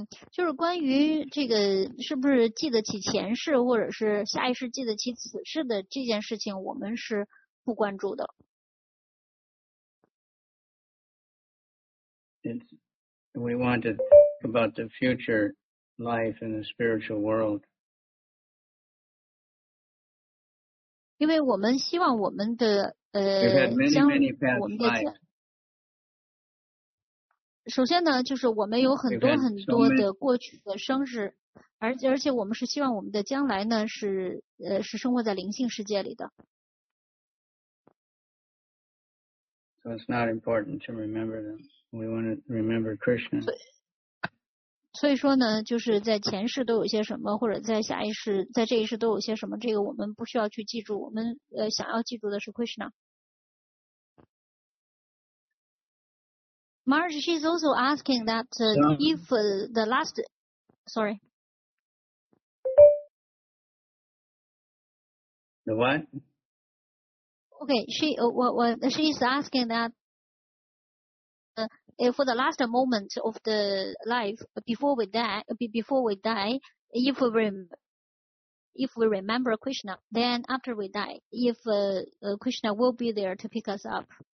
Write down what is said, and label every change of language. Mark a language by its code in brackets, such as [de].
[zh] 就是关于这个是不是记得起前世或者是下一世记得起此世的这件事情，我们是不关注的。 [en] It's, we want to think about the future life in the spiritual world. [zh] 因为我们希望我们的将我们的首先呢，就是我们有很多很多的过去的生日，而且我们是希望我们的将来呢是生活在灵性世界里的。 [en] So it's not important to remember them. We want to remember Krishna. [zh] 所以说呢，就是在前世都有些什么，或者在下一世、在这一世都有些什么，这个我们不需要去记住，我们想要记住的是 Krishna。 [en] Marsh, she's also asking that she's asking that if for the last moment of the life before we die, if we remember Krishna, then after we die, if Krishna will be there to pick us up.